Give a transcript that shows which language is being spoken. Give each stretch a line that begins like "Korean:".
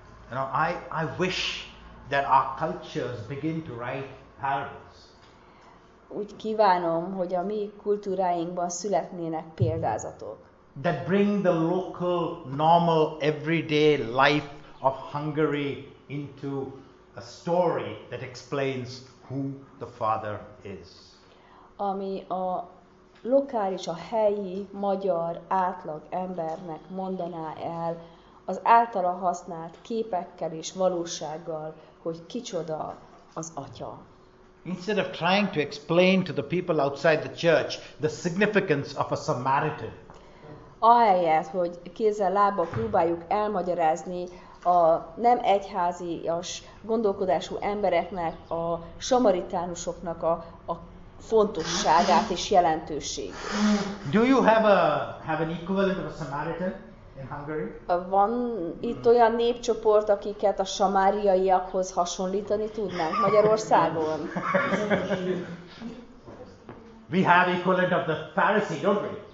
English: You know, I wish that our cultures begin to write parables.
Hungarian: Úgy kívánom, hogy a mi kultúráinkban születnének példázatok.
English: That bring the local, normal, everyday life of Hungary into a story that explains who the Father is.
Hungarian: Ami a lokális, a helyi, magyar, átlag embernek mondaná el az általa használt képekkel és valósággal, hogy kicsoda az Atya.
English: Instead of trying to explain to the people outside the church the significance of a Samaritan.
Hungarian: Ahelyett, hogy kézzel lábbal próbáljuk elmagyarázni a nem egyházias gondolkodású embereknek, a samaritánusoknak a fontosságát és jelentőség.
English: Do you have an equivalent of a Samaritan? in Hungary.
Hungarian: Van itt olyan népcsoport, akiket a samáriaiakhoz hasonlítani tudnánk Magyarországon?
English: We have equivalent of the Pharisee, don't we?